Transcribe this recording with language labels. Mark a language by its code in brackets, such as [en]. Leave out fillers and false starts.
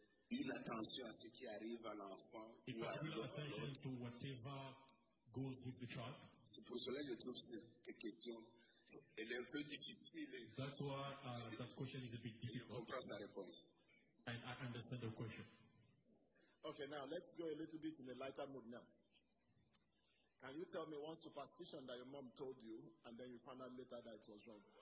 [fr] Une attention à ce qui arrive à l'enfant. [en] A particular attention to whatever goes with the child. [fr] C'est pour cela que je trouve cette question. Elle est un peu difficile. [en] That's why that question is a bit difficult. [fr] Je comprends sa réponse. [en] And I understand the question. Okay, now let's go a little bit in a lighter mood now. Can you tell me one superstition that your mom told you and then you found out later that it was wrong?